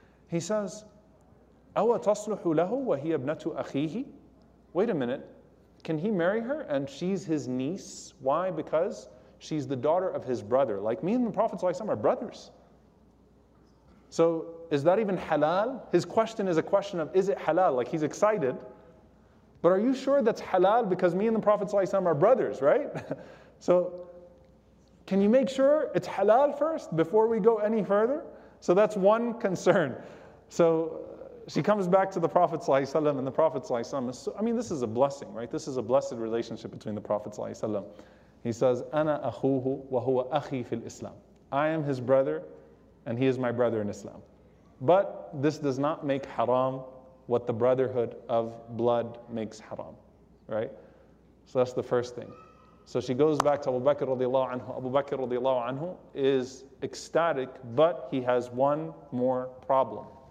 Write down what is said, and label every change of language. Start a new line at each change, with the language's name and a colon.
English: He says,
Arabic: أَوَ تَصْلُحُ لَهُ وَهِيَ ابْنَةُ أَخِيهِ.
English: Wait a minute, can he marry her and she's his niece? Why? Because she's the daughter of his brother. Like me and the Prophet ﷺ are brothers. So is that even halal? His question is a question of, is it halal? Like, he's excited. But are you sure that's halal? Because me and the Prophet ﷺ are brothers, right? So can you make sure it's halal first before we go any further? So that's one concern. So she comes back to the Prophet ﷺ, and the Prophet ﷺ is, so, I mean, this is a blessing, right? This is a blessed relationship between the Prophet ﷺ. He says,
Arabic: أَنَا أَخُوهُ وَهُوَ أَخِي فِي الْإِسْلَامِ.
English: I am his brother, and he is my brother in Islam. But this does not make haram what the brotherhood of blood makes haram, right? So that's the first thing. So she goes back to Abu Bakr radiallahu anhu. Abu Bakr radiallahu anhu is ecstatic, but he has one more problem.